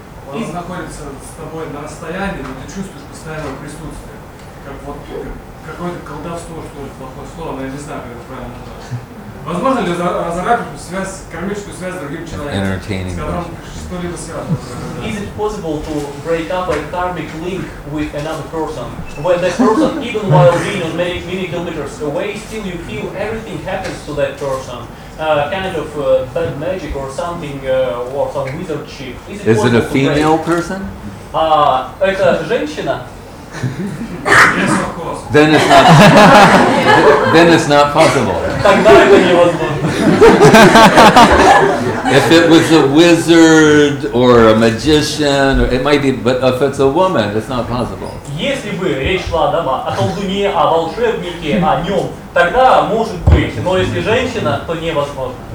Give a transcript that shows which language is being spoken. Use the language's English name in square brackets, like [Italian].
[Russian] Он находится с тобой на расстоянии, но ты чувствуешь постоянное присутствие. Как вот какое-то колдовство, что ли, плохое слово, но я не знаю, как это правильно называется. Возможно ли разорвать кармическую связь с другим человеком, с которым что-либо связано? [English] Is it possible to break up a karmic link with another person? When that person, even while being on many, many kilometers away, still you feel everything happens to that person? Bad magic or something, or some wizard chick. Is it a female person? [Russian] Это женщина? [English] Yes, of course. Then it's not. Then it's not possible. [Russian] Тогда это невозможно. [English] If it was a wizard or a magician, or it might be. But if it's a woman, it's not possible. [Russian] Если бы речь шла о колдуне, о волшебнике, о нем, тогда может быть. Но если женщина, то невозможно.